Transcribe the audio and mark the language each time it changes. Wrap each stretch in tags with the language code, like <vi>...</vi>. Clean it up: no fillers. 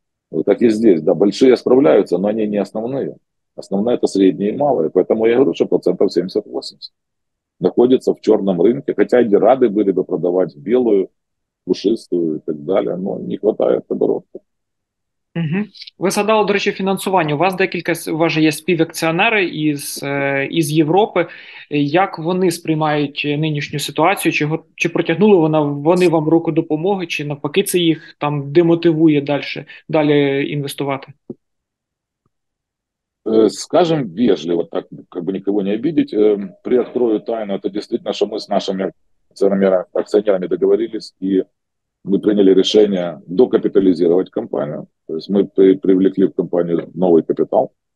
<ru>Вот так и здесь, да, большие справляются, но они не основные. Основные – это средние и малые, поэтому я говорю, что процентов 70-80. находится в черном рынке, хотя они рады были бы продавать белую, пушистую и</ru> <uk>так далі, но не вистачає оборотку. Угу. Ви згадали, до речі, фінансування. У вас декілька, у вас є співакціонери із Європи. Як вони сприймають нинішню ситуацію? Чи протягнули вони вам руку допомоги, чи навпаки це їх там демотивує далі інвестувати?</uk> <ru>Скажем вежливо, так как бы никого не обидеть, приоткрою тайну, это действительно, что мы с нашими акционерами договорились, и мы приняли решение докапитализировать компанию. То есть мы привлекли в компанию новый капитал.</ru>